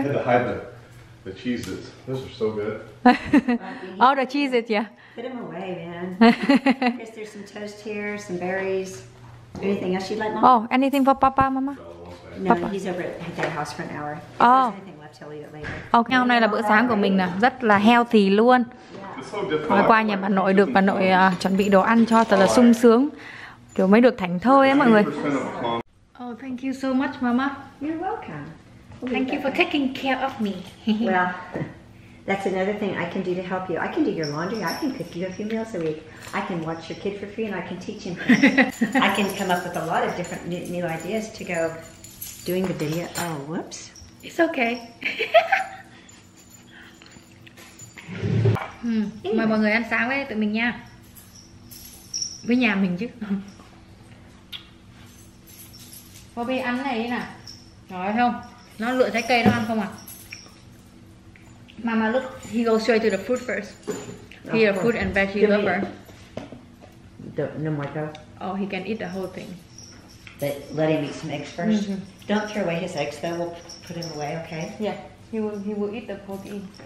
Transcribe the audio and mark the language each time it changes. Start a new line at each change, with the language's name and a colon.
English: I had to hide the cheeses. Those are so good. Oh, the cheeses, yeah. Put them away, man. I guess there's some toast here, some berries. Anything else you'd like, Mom? Oh, anything for Papa, Mama? No, Papa. He's over at their house for an hour. If there's anything left, tell you later.
Vietnamese: Okay, hôm nay là bữa sáng của mình nè. Rất là healthy luôn. Hôm qua nhà bà nội được bà nội chuẩn bị đồ ăn cho thật là sung sướng. Kiểu mới được thảnh thơi ấy mọi người.
English: Oh, thank you so much, Mama. You're welcome. We'll thank you for taking care of me. Well, that's another thing I can do to help you. I can do your laundry. I can cook you a few meals a week. I can watch your kid for free and I can teach him. I can come up with a lot of different new ideas to go doing the video. Oh, whoops. It's okay.
Vietnamese: Mời mọi người ăn sáng với tụi mình nha. Với nhà mình chứ. Kobe ăn cái này đi nào. Đó, thấy không? Nó lựa trái cây nó ăn không à?
English: Mama, look. He goes straight to the fruit first. He a fruit and veggie lover. No more though. Oh, he can eat the whole thing. But let him eat some eggs first. Mm-hmm. Don't throw away his eggs though. We'll put him away, okay? Yeah. He will eat the Kobe.